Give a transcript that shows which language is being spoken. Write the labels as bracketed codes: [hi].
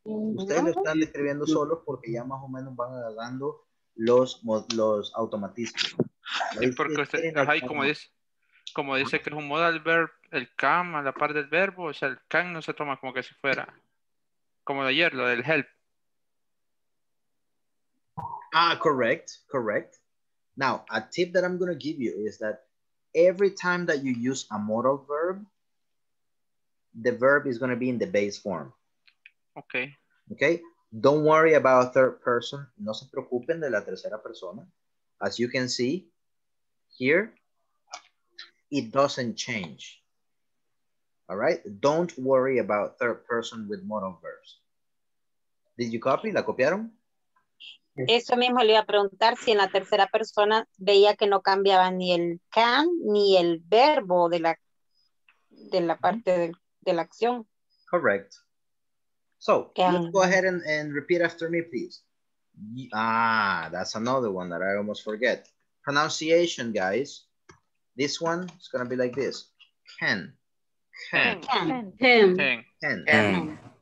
[es] Ustedes lo están describiendo solos porque ya más o menos van agarrando los automatismos. Sí, porque usted, ahí como dice que es un modal verb, el can a la par del verbo, o sea, el can no se toma como que si fuera, como de ayer, lo del help. [en] Ah, correct, correct. Now, a tip that I'm going to give you is that every time that you use a modal verb, the verb is going to be in the base form. Okay. Okay? Don't worry about third person. [es] No se preocupen de la tercera persona. [en] As you can see here, it doesn't change. All right? Don't worry about third person with modal verbs. Did you copy? [es] ¿La copiaron? Eso mismo le iba a preguntar, si en la tercera persona veía que no cambiaba ni el can ni el verbo de la parte de la acción. [en] Correct. So, can. Let's go ahead and repeat after me, please. Ah, that's another one that I almost forget. Pronunciation, guys. This one is going to be like this. Can. Can. Can. Can. Can. Can. Can. Can.